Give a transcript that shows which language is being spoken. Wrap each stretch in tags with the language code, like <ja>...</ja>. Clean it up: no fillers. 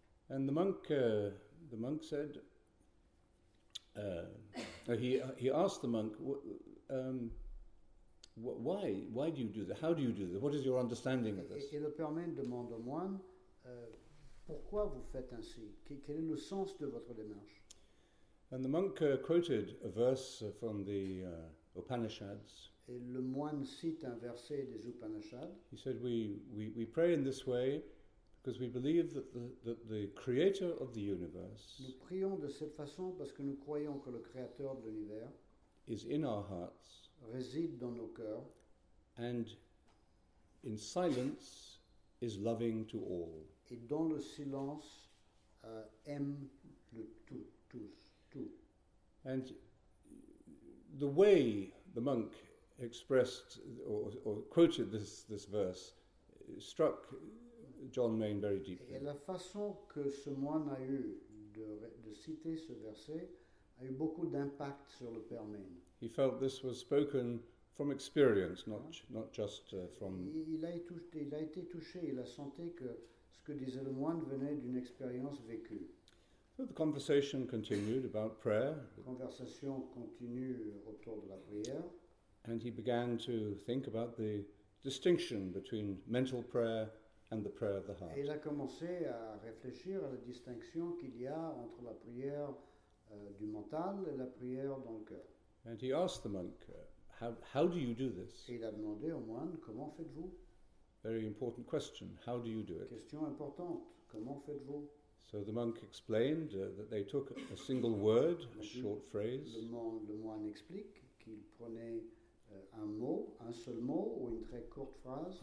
<en>And the monk said, he asked the monk, why do you do that? How do you do that? What is your understanding of this?</en> <fr>Et le père Maine demande au moine, pourquoi vous faites ainsi? Quel est le sens de votre démarche?</fr> <en>And the monk quoted a verse from the Upanishads.</en> <fr>Et le moine cite un verset des Upanishads.</fr> <en>He said, "We pray in this way because we believe that the creator of the universe.</en> <fr>Nous prions de cette façon parce que nous croyons que le créateur de l'univers</fr> <en>is in our hearts.</en> <fr>Réside dans nos cœurs.</fr> <en>And in silence is loving to all.</en> <fr>Et dans le silence aime le tout, tous."</fr> <en>And the way the monk expressed or quoted this verse struck John Maine very deeply.</en> <fr>Et la façon que ce moine a eu de citer ce verset a eu beaucoup d'impact sur le père Maine.</fr> <en>He felt this was spoken from experience, not just from.</en> <fr>Il a été touché. Il a senti que ce que disait le moine venait d'une expérience vécue.</fr> <en>So the conversation continued about prayer.</en> <fr>Conversation continue autour de la prière.</fr> <en>And he began to think about the distinction between mental prayer and the prayer of the heart.</en> <fr>Et il a commencé à réfléchir à la distinction qu'il y a entre la prière du mental et la prière dans le cœur.</fr> <en>And he asked the monk, how do you do this?</en> <fr>Et il a demandé au moine, comment faites-vous?</fr> <en>Very important question. How do you do it?</en> <fr>Question importante. Comment faites-vous?</fr> <en>So the monk explained that they took a single word, a short phrase.</en> <fr>Le moine explique qu'il prenait un mot, un seul mot ou une très courte phrase.</fr>